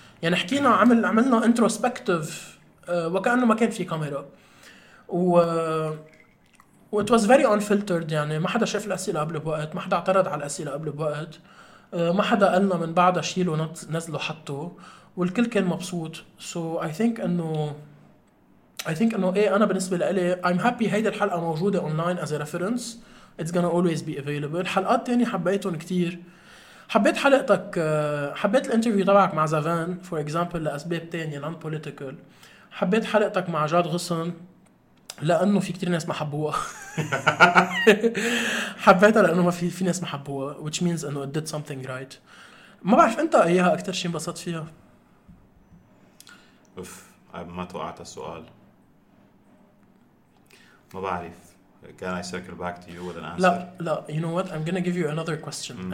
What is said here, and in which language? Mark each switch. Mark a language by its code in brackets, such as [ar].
[ar] يعني حكينا عملنا introspective وكأنه ما كان في كاميرا و [en] it was very unfiltered, [ar] يعني ما حدا شاف الأسئلة قبل بوقت, ما حدا اعترض على الأسئلة قبل بوقت, ما حدا قالنا من بعدها شيله نزله حطه, والكل كان مبسوط. [en] So I think [ar] إنه إيه أنا بالنسبة لي [en] I'm happy [ar] هيدا الحلقة موجودة [en] online as a reference, it's gonna always be available. [ar] حلقات تانية حبيتهم كتير, حبيت حلقتك, حبيت الانترفيو تبعك مع زافان [en] for example [ar] لأسباب تانية [en] non political, [ar] حبيت حلقتك مع جاد غصن لانه في كتير ناس ما حبوها. حبيتها لانه ما في ناس ما حبوها, [en] which means [ar] انه [en] did something right. [ar] ما بعرف انت اياها اكثر شيء انبسطت فيها. اوف ما توقعت السؤال, ما بعرف. [en] Can I circle back to you with an answer? [ar] لا [en] you know what, I'm gonna give you another question.